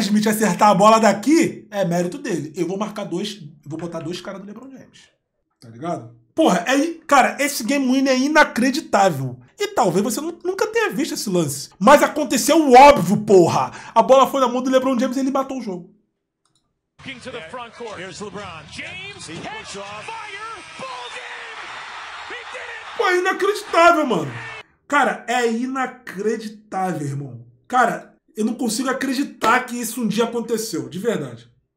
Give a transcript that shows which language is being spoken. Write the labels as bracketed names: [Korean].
[Portuguese] Smith acertar a bola daqui, é mérito dele. Eu vou marcar 2, vou botar 2 caras do LeBron James. Tá ligado? Porra, cara, esse game win é inacreditável. E talvez você nunca tenha visto esse lance. Mas aconteceu o óbvio, porra. A bola foi na mão do LeBron James e ele matou o jogo. [English] King to the front court. Here's LeBron. James, catch, fire, ball game. [Portuguese] Pô, é inacreditável, mano. Cara, é inacreditável, irmão. Cara, eu não consigo acreditar que isso um dia aconteceu, de verdade.